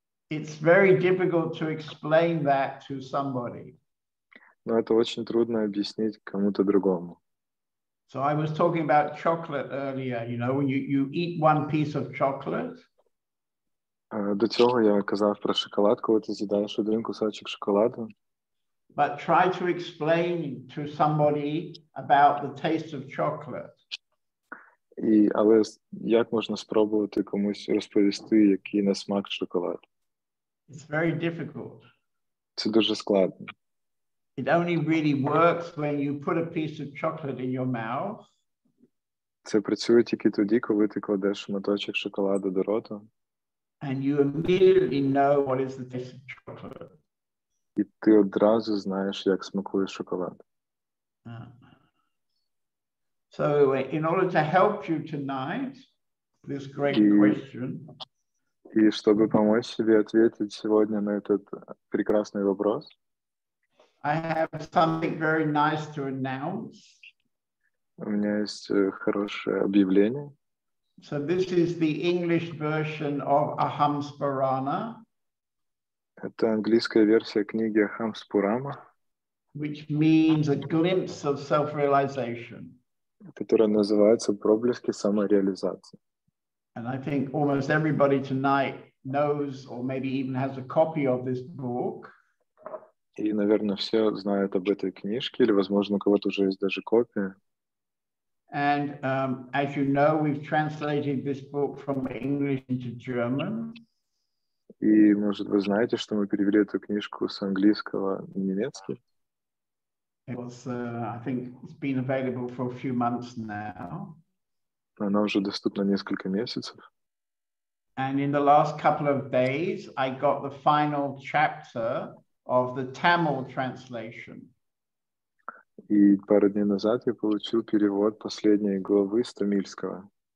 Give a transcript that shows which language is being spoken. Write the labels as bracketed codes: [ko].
[en] it's very difficult to explain that to somebody. [ru] Но это очень трудно объяснить кому-то другому. [en] So I was talking about chocolate earlier, you know, when you eat one piece of chocolate. [uk] До цього я казав про шоколадку, ти з'їдаєш один кусочок шоколаду. [en] But try to explain to somebody about the taste of chocolate. [uk] І, але як можна спробувати комусь розповісти, який на смак шоколад? [en] It's very difficult. [uk] Це дуже складно. [en] It only really works when you put a piece of chocolate in your mouth. [uk] Це працює тільки тоді, коли ти кладеш шматочок шоколаду до рота. [en] And you immediately know what is the taste of chocolate. [uk] І ти одразу знаєш, як смакує шоколад. [en] So, in order to help you tonight, this great question. [uk] І щоб допомогти собі відповісти сьогодні на цей прекрасний вопрос. [en] I have something very nice to announce. [uk] У мене є хороше об'явлення. [en] So this is the English version of Ahamsparana. [ru] Это английская версия книги Ахамспурама, [en] which means a glimpse of self-realization, [ru] которая называется «Проблески самореализации». [en] And I think almost everybody tonight knows or maybe even has a copy of this book. [ru] И, наверное, все знают об этой книжке, или, возможно, у кого-то уже есть даже копия. [en] And as you know, we've translated this book from English into German. [ru] И, может, вы знаете, что мы перевели эту книжку с английского на немецкий? [en] It was, I think, it's been available for a few months now. [ru] Она уже доступна несколько месяцев. [en] And in the last couple of days, I got the final chapter of the Tamil translation. [ru] И пару дней назад я получил перевод последней главы с тамильского.